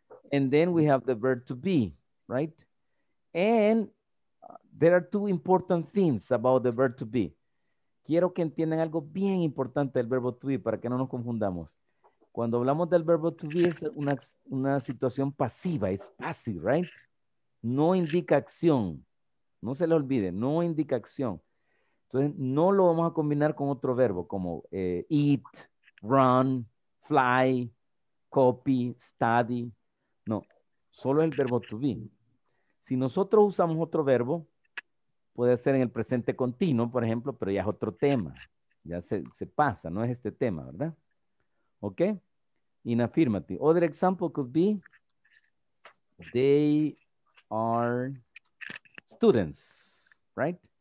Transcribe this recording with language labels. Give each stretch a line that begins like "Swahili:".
English: And then we have the verb to be, right? And there are two important things about the verb to be.
Spanish: Quiero que entiendan algo bien importante del verbo to be para que no nos confundamos. Cuando hablamos del verbo to be es una situación pasiva, es
English: passive, right?
Spanish: No indica acción. No se le olvide, no indica acción. Entonces, no lo vamos a combinar con otro verbo como eat, run, fly, copy, study. No, solo el verbo to be. Si nosotros usamos otro verbo, puede ser en el presente continuo, por ejemplo, pero ya es otro tema. Ya se pasa, no es este tema, ¿verdad?
English: ¿Ok? In affirmative. Other example could be, they are students, right?